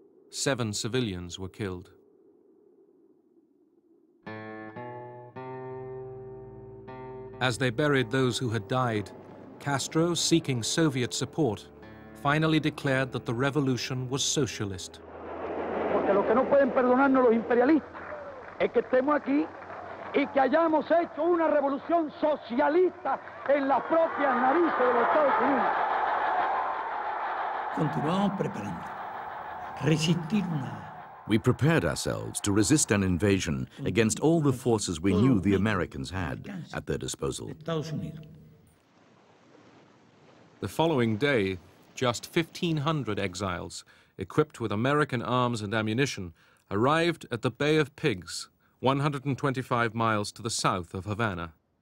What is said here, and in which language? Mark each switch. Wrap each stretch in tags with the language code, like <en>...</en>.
<en>Seven civilians were killed. As they buried those who had died, Castro, seeking Soviet support, finally declared that the revolution was socialist.</en> <es>Porque lo que no pueden perdonarnos los imperialistas es que estemos aquí y que hayamos hecho una revolución socialista en las propias narices de los Estados Unidos. Continuamos preparando. Resistir una.</es> <en>We prepared ourselves to resist an invasion against all the forces we knew the Americans had at their disposal. The following day, just 1,500 exiles, equipped with American arms and ammunition, arrived at the Bay of Pigs, 125 miles to the south of Havana.</en>